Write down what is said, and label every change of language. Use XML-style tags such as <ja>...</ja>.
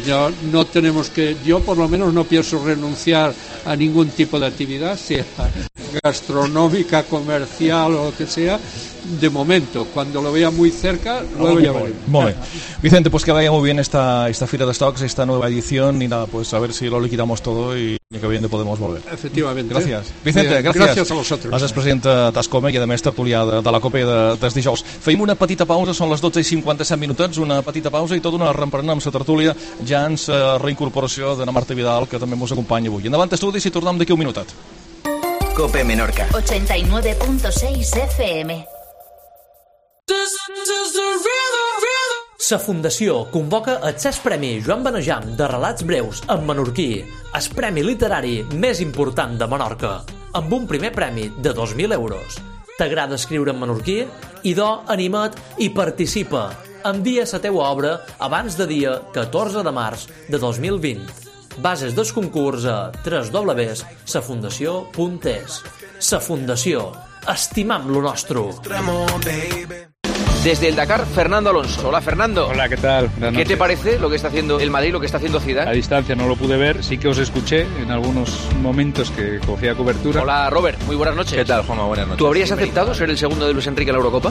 <es>Yo no tenemos que, yo por lo menos no pienso renunciar a ningún tipo de actividad, sea gastronómica, comercial o lo que sea. De momento, cuando lo vea muy cerca, luego ya voy. Vale. Vicente, pues que vaya muy bien esta fila de stocks, esta nueva edición, y nada, pues a ver si lo liquidamos todo y que bien podemos volver. Efectivamente. Gracias. Vicente, gracias. Gracias a vosotros.</es> <ca>Has president de Tascome i, a més, tertulià de la Copa des dijous. Fem una petita pausa, són les 12:57 minuts, una petita pausa i tot una reemprenent amb la tertúlia, ja en la reincorporació d'una Marta Vidal, que també ens acompanya avui. Endavant, estudis, i tornem d'aquí un minutet. Cope Menorca. 89.6 FM. La Fundació convoca el 6 Premi Joan Benejam de Relats Breus en Menorquí, el premi literari més important de Menorca, amb un primer premi de 2.000 euros. T'agrada escriure en menorquí? Idò, anima't i participa. Envia la teua obra abans de dia 14 de març de 2020. Bases del concurs a www.safundació.es. La Fundació. Estimam lo nostre.</ca> <es>Desde el Dakar, Fernando Alonso. Hola, Fernando. Hola, ¿qué tal? ¿Qué te parece lo que está haciendo el Madrid, lo que está haciendo Zidane? A distancia, no lo pude ver. Sí que os escuché en algunos momentos que cogía cobertura. Hola, Robert. Muy buenas noches. ¿Qué tal, Juanma? Buenas noches. ¿Tú habrías aceptado ser el segundo de Luis Enrique en la Eurocopa?</es>